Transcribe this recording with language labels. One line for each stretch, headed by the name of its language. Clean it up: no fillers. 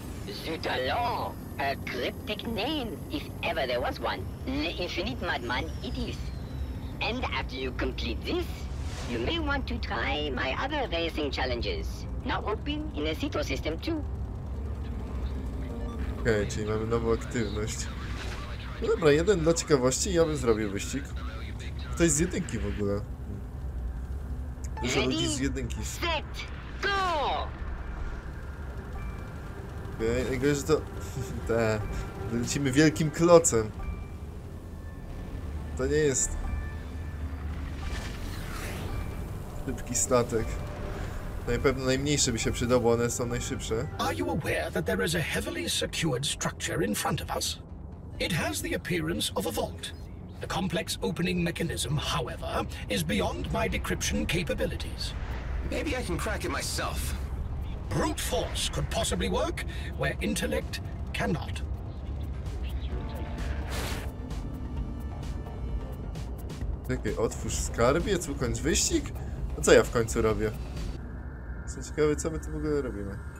French: Zut alors!
English: A cryptic name, if ever there was one. L'Infinite Madman it is. And after you complete this, You may want to try my other racing challenges. Now open in the Citro system too.
Polish: Okej, okay, czyli mamy nową aktywność. No dobra, jeden dla ciekawości i ja bym zrobił wyścig. To jest z jedynki w ogóle. Dużo ludzi z jedynki.
English: Set, go!
Polish: Okej, okay, jakby, że to... Te... Lecimy wielkim klocem. To nie jest... Szybki statek. Na pewno najmniejsze by się przydało, bo one są najszybsze.
English: Are you aware that there is a heavily secured structure in front of us? It has the appearance of a vault. The complex opening mechanism, however, is beyond my decryption capabilities. Maybe I can crack it myself. Brute force could possibly work where intellect cannot.
Polish: Czekaj, otwórz skarbiec, ukończ wyścig? A co ja w końcu robię? Jestem ciekawy, co my tu w ogóle robimy.